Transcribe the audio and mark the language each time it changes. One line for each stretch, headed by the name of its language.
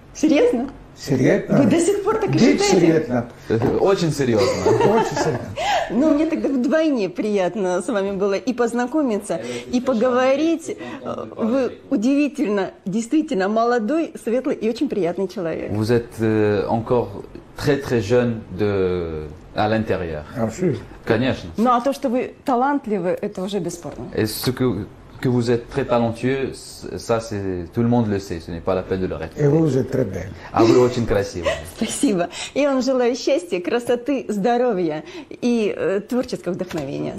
Russian: Серьезно? Серьезно? Вы до сих пор так Дичь считаете? Серьезно. Очень серьезно. Очень серьезно. Ну, мне тогда вдвойне приятно с вами было и познакомиться, и поговорить. Вы удивительно, действительно молодой, светлый и очень приятный человек.
French: Vous êtes encore très très jeune de à l'intérieur.
Russian: Конечно. Ну, а то, что вы талантливы, это уже бесспорно.
French: Et ce que vous êtes très talentueux, ça, c'est tout le monde le sait, ce n'est pas la peine de le répéter. Et vous êtes très belle.
Russian: А вы очень красивы. Спасибо. Я вам желаю счастья, красоты, здоровья и творческого вдохновения.